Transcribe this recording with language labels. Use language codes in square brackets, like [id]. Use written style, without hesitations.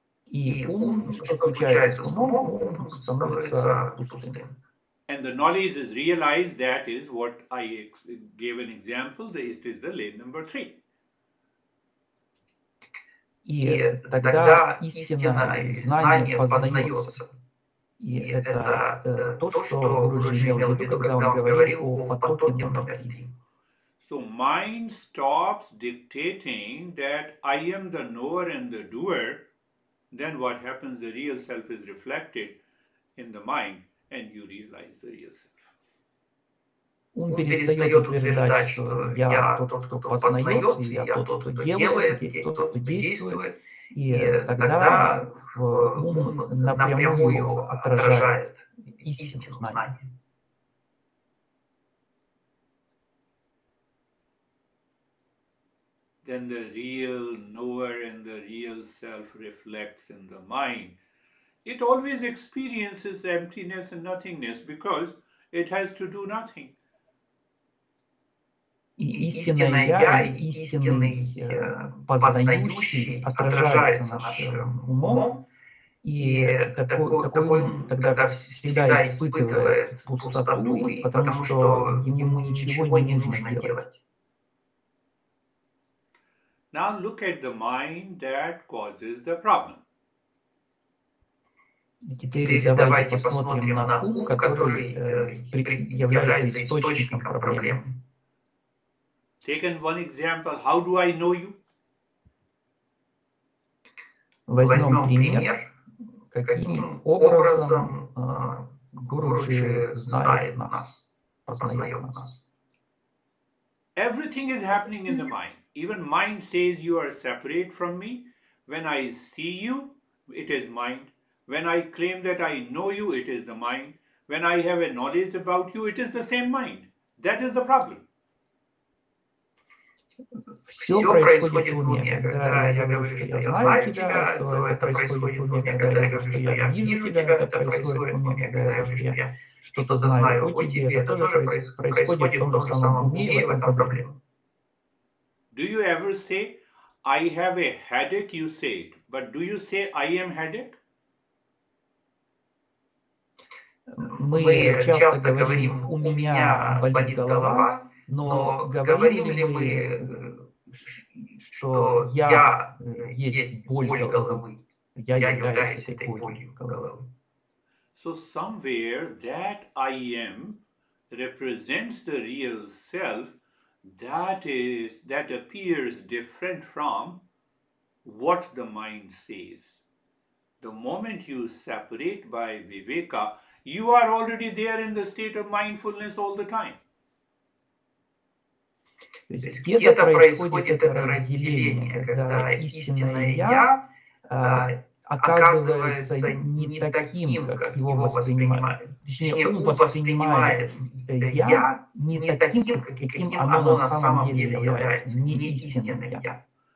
[ru] И ум, что включается умом, ум становится пустым. [en] And the knowledge is realized, that is what I gave an example, it is the lane number three. [ru] И тогда истина и знание познается. И это то, что Гуруджи имел в виду, когда он говорил о потоке дневном пяти. [en] So mind stops dictating that I am the knower and the doer, then what happens, the real self is reflected in the mind. And you realize the real self. [ru] Ум перестает утверждать, что я тот, кто познает, и я тот, кто делает, и тот, кто действует. И тогда ум напрямую отражает истинное знание. [en] Then the real knower and the real self reflects in the mind. It always experiences emptiness and nothingness because it has to do nothing. [ru] И истинное я, и истинный познающий отражается нашим умом, и такой ум тогда всегда испытывает пустоту, потому что ему ничего не нужно делать. [en] Now look at the mind that causes the problem. [ru] Теперь давайте посмотрим на ум, который является источником проблем. [en] Taken one example, how do I know you? [ru] Возьмем пример, каким образом Гуруджи знает нас, познает нас. [en] Everything is happening in the mind. Even mind says you are separate from me. When I see you, it is mind. When I claim that I know you, it is the mind. When I have a knowledge about you, it is the same mind. That is the problem. [ru] Все происходит в уме. Когда я говорю, что я знаю тебя, то это происходит в уме. Когда я говорю, что я вижу тебя, это происходит в уме. Когда я говорю, что я что-то знаю о тебе, это тоже происходит в том же самом уме, и в этом проблема. [en] Do you ever say, I have a headache, you say it. But do you say, I am headache? [ru] Мы часто говорим, у меня болит голова, но говорим ли мы, что я есть боль головы, я являюсь этой болью головы. [en] So somewhere that I am represents the real self that appears different from what the mind says. The moment you separate by Viveka, you are already there in the state of mindfulness all the time. [ru] То есть где-то происходит это разделение, когда истинное я оказывается не таким, как его воспринимает. Точнее, ум воспринимает «я» не таким, каким оно на самом деле является, не истинным «я».